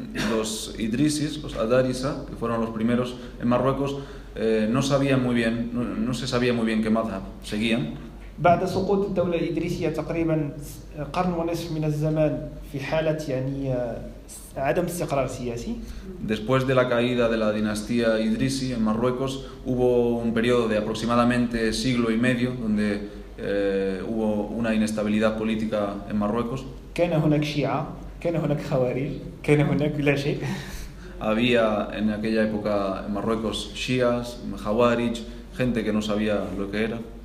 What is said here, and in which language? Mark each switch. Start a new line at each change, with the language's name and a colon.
Spanish: Los Idrisis, los Adarisa, que fueron los primeros en Marruecos, no sabían muy bien, no se sabía muy bien qué madhab seguían.
Arabic: بعد سقوط الدولة الإدريسية تقريبا قرن ونصف من الزمان في حالة يعني عدم استقرار سياسي.
Spanish: Después de la caída de la dinastía Idrisi en Marruecos, hubo un periodo de aproximadamente siglo y medio donde hubo una inestabilidad política en Marruecos.
Arabic: كان هناك شيعة, كان هناك خوارج, كان هناك لا شيء.
Spanish: Había en aquella época en Marruecos shias, jawarij, gente que no sabía lo que era.